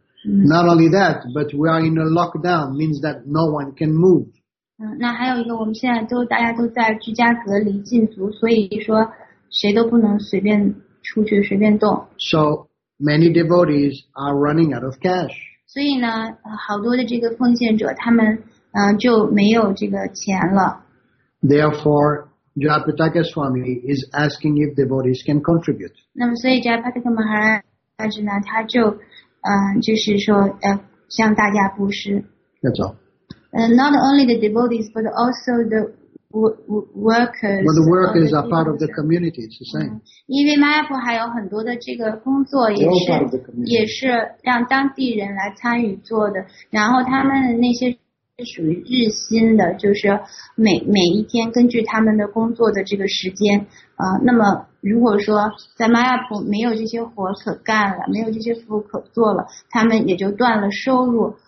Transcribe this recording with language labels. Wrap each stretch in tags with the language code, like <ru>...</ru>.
<en>Not only that, but we are in a lockdown, means that no one can move.</en> <zh>那还有一个，我们现在都大家都在居家隔离禁足，所以说谁都不能随便出去随便动。</zh> <en>So many devotees are running out of cash.</en> <zh>所以呢，好多的这个奉献者他们就没有这个钱了。</zh> <en>Therefore, Japitaka Swami is asking if devotees can contribute.</en> <zh>那么所以 Japitaka Maharaj 呢，他就就是说向大家布施。</zh> <en>That's all. Not only the devotees, but also the workers. Well, the workers are part of the community. It's the same.</en> <zh>因为 Mayapur 还有很多的这个工作也是让当地人来参与做的，然后他们那些属于日薪的，就是每一天根据他们的工作的这个时间那么如果说在 Mayapur 没有这些活可干了，没有这些服务可做了，他们也就断了收入。</zh>